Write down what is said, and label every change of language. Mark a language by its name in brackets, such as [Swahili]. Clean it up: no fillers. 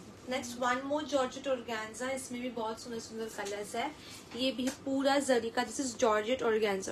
[English] Next one more georgette organza. [Hindi] इसमें भी बहुत सुंदर सुंदर कलर्स है. ये भी पूरा जरी का. [English] This is georgette organza.